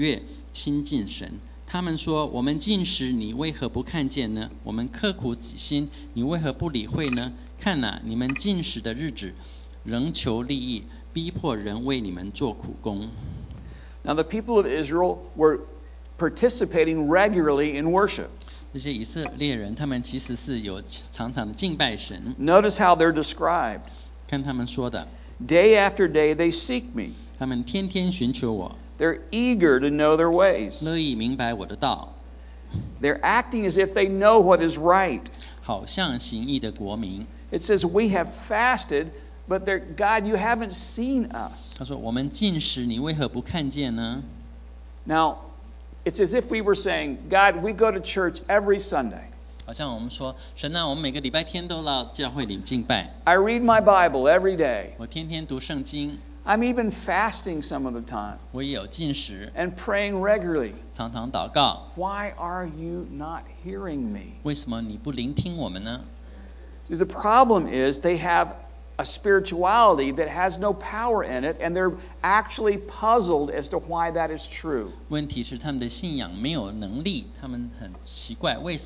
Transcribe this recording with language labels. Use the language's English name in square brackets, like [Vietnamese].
[Chinese] 以赛亚书58章1到3节，你要大声喊叫，不可止息，扬起声来，好像吹角，向我百姓说明他们的过犯，向雅各家说明他们的罪恶。他们天天寻求我，乐意明白我的道，好像行义的国民，不离弃他们神的典章，向我求问公义的判语，喜悦亲近神。他们说，我们进食，你为何不看见呢？我们刻苦己心，你为何不理会呢？看哪，你们进食的日子，仍求利益，逼迫人为你们做苦工。 [English] Now the people of Israel were participating regularly in worship. [Chinese] 这些以色列人，他们其实是有常常的敬拜神。 [English] Notice how they're described. [Chinese] 看他们说的。 [English] Day after day they seek me. [Chinese] 他们天天寻求我。 [English] They're eager to know their ways. [Chinese] 乐意明白我的道。 [English] They're acting as if they know what is right. [Chinese] 好像行义的国民。 [English] It says, we have fasted, but God, you haven't seen us. [Chinese] 他说，我们进食，你为何不看见呢？ [English] Now, it's as if we were saying, God, we go to church every Sunday. [Chinese] 好像我们说，神啊，我们每个礼拜天都到教会里敬拜。 [English] I read my Bible every day. [Chinese] 我天天读圣经。 [English] I'm even fasting some of the time. [Chinese] 我也有禁食, [English] and praying regularly. [Chinese] 常常祷告, [English] Why are you not hearing me? [Chinese] 为什么你不聆听我们呢? [English] The problem is they have a spirituality that has no power in it, and they're actually puzzled as to why that is true. [Chinese] 问题是他们的信仰没有能力, 他们很奇怪,